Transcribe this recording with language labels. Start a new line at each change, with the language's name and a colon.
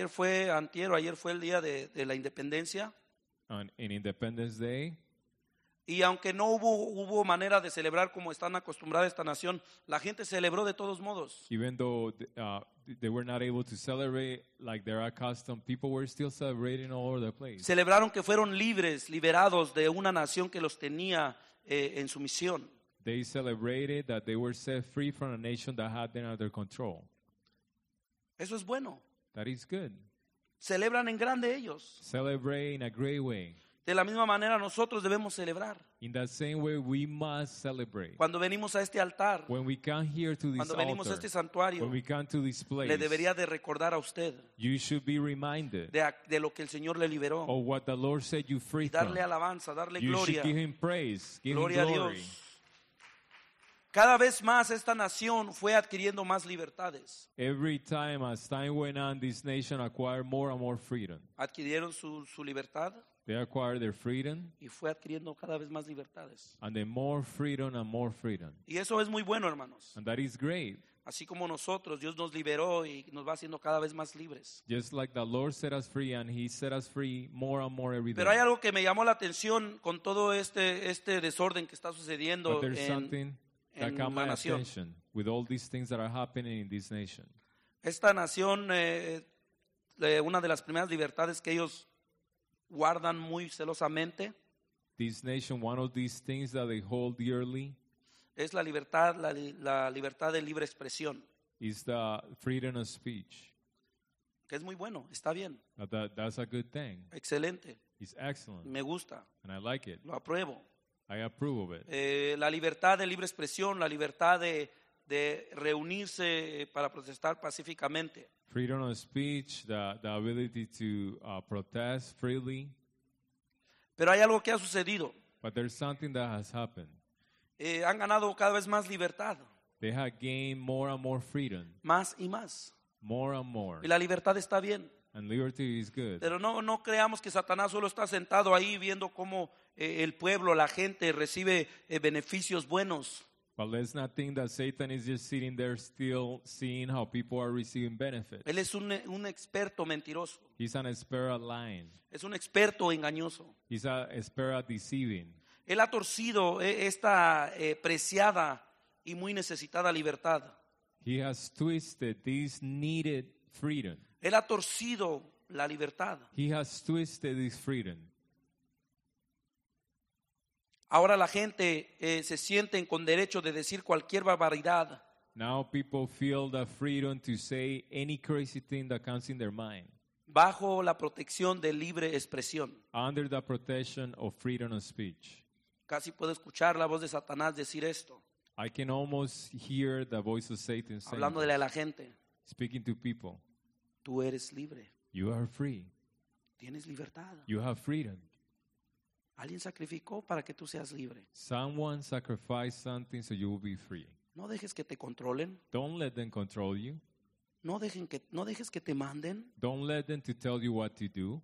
Spanish: Ayer fue el día de la independencia.
English: In Independence Day.
Spanish: Y aunque no hubo manera de celebrar como están acostumbrada esta nación, la gente celebró de todos modos.
English: Even though they were not able to celebrate like they're accustomed, people were still celebrating all over the place.
Spanish: Celebraron que fueron libres, liberados de una nación que los tenía en sumisión.
English: They celebrated that they were set free from a nation that had them under control.
Spanish: Eso es bueno.
English: That is good.
Spanish: Celebran en grande ellos.
English: Celebrate in a great way.
Spanish: De la misma manera nosotros debemos celebrar.
English: In the same way we must celebrate.
Spanish: Cuando venimos a este altar.
English: When we come here to this
Spanish: altar. Cuando venimos a este santuario.
English: When we come to this place.
Spanish: Le debería de recordar a usted.
English: You should be reminded.
Spanish: De lo que el Señor le liberó.
English: Of what the Lord set you free from.
Spanish: Darle alabanza, darle gloria.
English: You should give him praise. Give
Spanish: gloria
English: him glory.
Spanish: A Dios. Cada vez más esta nación fue adquiriendo más libertades.
English: Every time as time went on, this nation acquired more and more freedom.
Spanish: Adquirieron su libertad.
English: They acquired their freedom.
Spanish: Y fue adquiriendo cada vez más libertades.
English: And then more freedom and more freedom.
Spanish: Y eso es muy bueno, hermanos.
English: And that is great.
Spanish: Así como nosotros, Dios nos liberó y nos va haciendo cada vez más libres.
English: Just like the Lord set us free and he set us free more and more every day.
Spanish: Pero hay algo que me llamó la atención con todo este desorden que está sucediendo en la nación.
English: That caught my attention with all these things that are happening in this nation.
Spanish: Esta nación, una de las primeras libertades que ellos guardan muy celosamente.
English: This nation, one of these things that they hold dearly.
Spanish: Es la libertad, la libertad de libre expresión.
English: Is the freedom of speech.
Spanish: Que es muy bueno, está bien.
English: That's a good thing.
Spanish: Excelente.
English: It's excellent.
Spanish: Me gusta.
English: And I like it.
Spanish: Lo apruebo.
English: I approve of it.
Spanish: La libertad de libre expresión, la libertad de reunirse para protestar pacíficamente.
English: Freedom of speech, the ability to protest freely.
Spanish: Pero hay algo que ha sucedido.
English: But there's something that has happened.
Spanish: Han ganado cada vez más libertad.
English: They have gained more and more freedom.
Spanish: Más y más.
English: More and more.
Spanish: Y la libertad está bien.
English: And liberty is good.
Spanish: Pero no creamos que Satanás solo está sentado ahí viendo cómo el pueblo, la gente recibe beneficios buenos.
English: But let's not think that Satan is just sitting there still seeing how people are receiving benefits.
Spanish: Él es un experto mentiroso.
English: He's an expert at lying.
Spanish: Es un experto engañoso.
English: He's an expert at deceiving.
Spanish: Él ha torcido esta preciada y muy necesitada libertad.
English: He has twisted this needed freedom.
Spanish: Él ha torcido la libertad.
English: He has twisted this freedom.
Spanish: Ahora la gente se siente con derecho de decir cualquier barbaridad.
English: Now people feel the freedom to say any crazy thing that comes in their mind.
Spanish: Bajo la protección de libre expresión.
English: Under the protection of freedom of speech.
Spanish: Casi puedo escuchar la voz de Satanás decir esto.
English: I can almost hear the voice of Satan saying.
Spanish: Hablando de la gente.
English: Speaking to people.
Spanish: Tú eres libre.
English: You are free.
Spanish: Tienes libertad.
English: You have freedom.
Spanish: Alguien sacrificó para que tú seas libre.
English: Someone sacrificed something so you will be free.
Spanish: No dejes que te controlen.
English: Don't let them control you.
Spanish: No dejes que te manden.
English: Don't let them to tell you what to do.